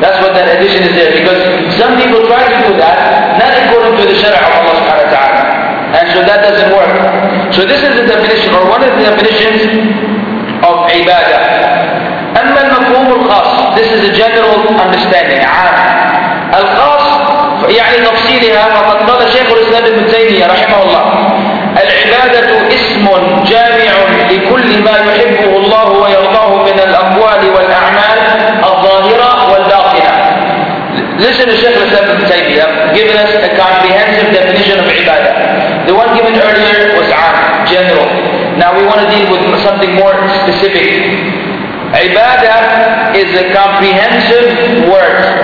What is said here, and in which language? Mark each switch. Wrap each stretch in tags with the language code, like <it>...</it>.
<en>That's what that addition is there. Because some people try to do that, not according to the shara' of Allah subhanahu wa ta'ala. And so that doesn't work. So this is the definition, or one of the definitions of ibadah.</en> <ar>أما المفهوم الخاص,</ar> <en>this is a general understanding, عام.</en> <ar>الخاص يعني تفصيلها, فقد قال شيخ الإسلام ابن تيمية رحمه الله, العبادة اسم جامع لكل ما يحبه الله ويرضاه من الأموال والأعمال الظاهرة والباطنة.</ar> <en>Listen to شيخ الإسلام ابن تيمية giving us a comprehensive definition of عبادة. The one given earlier was عام, general. Now we want to deal with something more specific. Ibadah is a comprehensive word.</en>